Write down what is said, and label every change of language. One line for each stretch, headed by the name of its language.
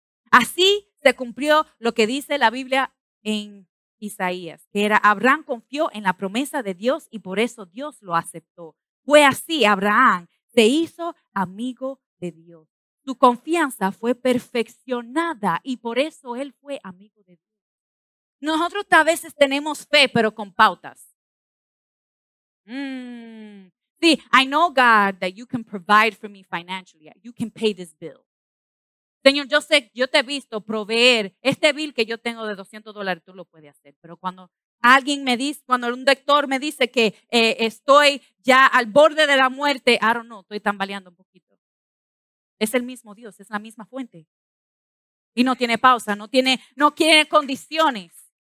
Spanish: Así se cumplió lo que dice la Biblia en Isaías, que era Abraham confió en la promesa de Dios y por eso Dios lo aceptó. Fue así, Abraham se hizo amigo de Dios. Su confianza fue perfeccionada y por eso él fue amigo de Dios. Nosotros a veces tenemos fe, pero con pautas.
English: See, I know, God, that you can provide for me financially. You can pay this bill.
Spanish: Señor, yo sé, yo te he visto proveer este bill que yo tengo de $200, tú lo puedes hacer. Pero cuando alguien me dice, cuando un doctor me dice que estoy ya al borde de la muerte,
English: I don't know,
Spanish: estoy tambaleando un poquito. Es el mismo Dios, es la misma fuente. Y no tiene pausa, no tiene condiciones.